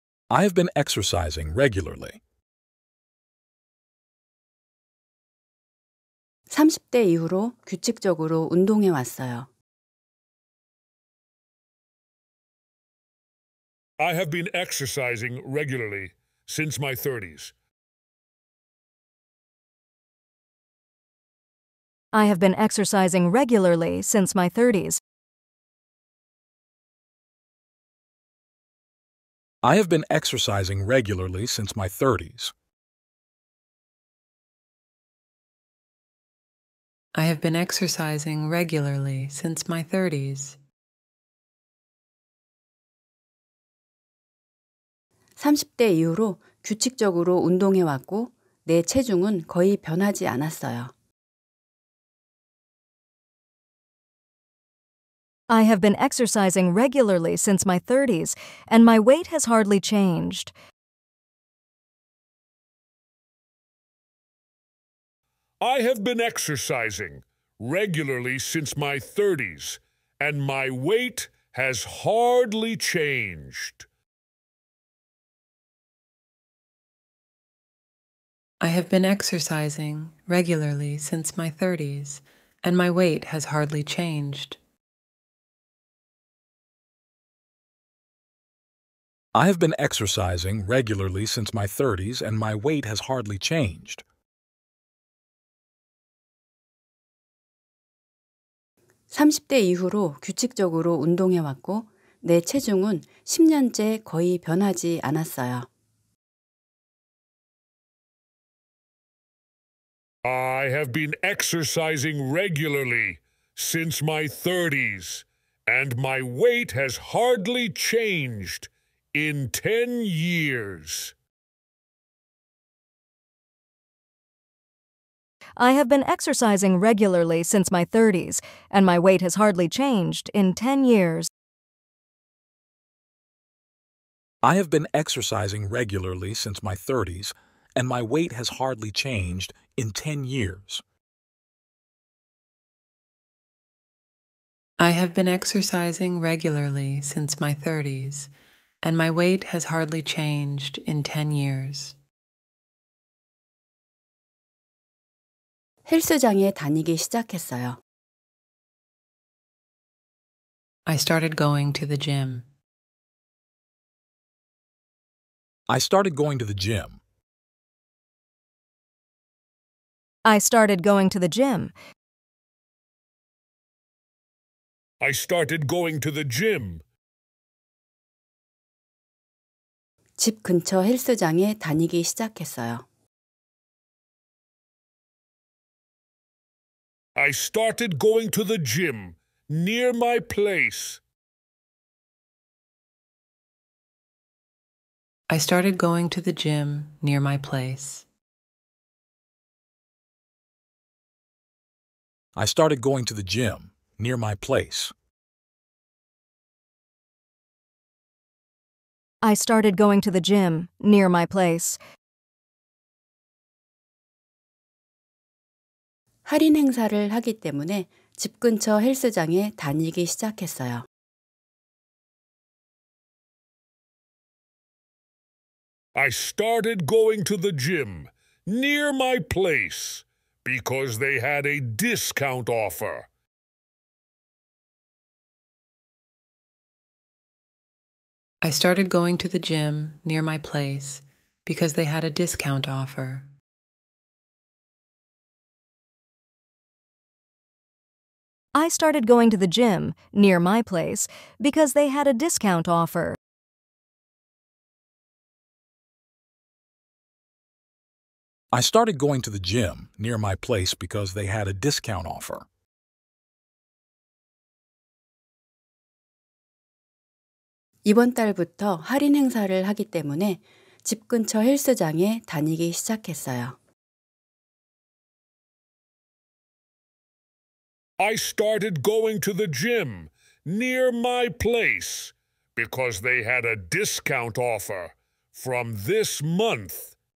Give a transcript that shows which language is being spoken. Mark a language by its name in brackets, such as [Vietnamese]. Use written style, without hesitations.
[English] I have been exercising regularly. [Korean] 30대 이후로 규칙적으로 운동해 왔어요. [English] I have been exercising regularly since my 30s. I have been exercising regularly since my 30s. I have been exercising regularly since my 30s. I have been exercising regularly since my 30s. [Korean] 30대 이후로 규칙적으로 운동해 왔고 내 체중은 거의 변하지 않았어요. [English] I have been exercising regularly since my 30s and my weight has hardly changed. I have been exercising regularly since my 30s and my weight has hardly changed. I have been exercising regularly since my 30s, and my weight has hardly changed. I have been exercising regularly since my 30s, and my weight has hardly changed. [Korean] 30대 이후로 규칙적으로 운동해 왔고 내 체중은 10년째 거의 변하지 않았어요. [English] I have been exercising regularly since my 30s and my weight has hardly changed in 10 years. I have been exercising regularly since my 30s, and my weight has hardly changed in 10 years. I have been exercising regularly since my 30s, and my weight has hardly changed in 10 years. I have been exercising regularly since my 30s, and my weight has hardly changed in 10 years. [Korean] 헬스장에 다니기 시작했어요. [English] I started going to the gym. I started going to the gym. I started going to the gym. I started going to the gym. [Korean] 집 근처 헬스장에 다니기 시작했어요. [English] I started going to the gym near my place. I started going to the gym near my place. I started going to the gym near my place. I started going to the gym near my place. [Korean] 할인 행사를 하기 때문에 집 근처 헬스장에 다니기 시작했어요. [English] I started going to the gym near my place because they had a discount offer. I started going to the gym near my place because they had a discount offer. I started going to the gym near my place because they had a discount offer. I started going to the gym near my place because they had a discount offer. I started going to the gym near my place because they had a discount offer. [Korean] 이번 달부터 할인 행사를 하기 때문에 집 근처 헬스장에 다니기 시작했어요. [English] I started going to the gym near my place because they had a discount offer from this month.